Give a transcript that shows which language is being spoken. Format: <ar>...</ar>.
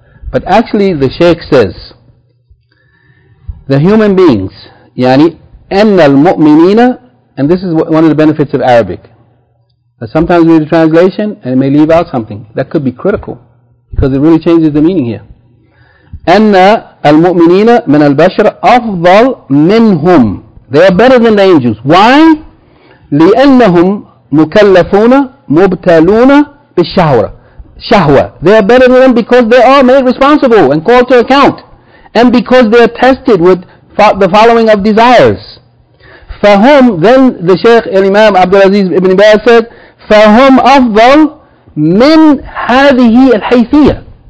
<en>But actually the Shaykh says, the human beings, yani,</en> <ar>أَنَّ الْمُؤْمِنِينَ,</ar> <en>and this is one of the benefits of Arabic. But sometimes we read a translation and it may leave out something. That could be critical because it really changes the meaning here. أَنَّ</en> <ar>المؤمنين من البشر أفضل منهم.</ar> <en>They are better than the angels. Why?</en> <ar>لأنهم مكلفون مبتلون بالشهوة. Shahwa.</ar> <en>They are better than them because they are made responsible and called to account. And because they are tested with the following of desires.</en> <ar>فهم,</ar> <en>then the Shaykh Imam Abdulaziz Ibn Baz said,</en> <ar>فهم أفضل من هذه الحيثية.</ar>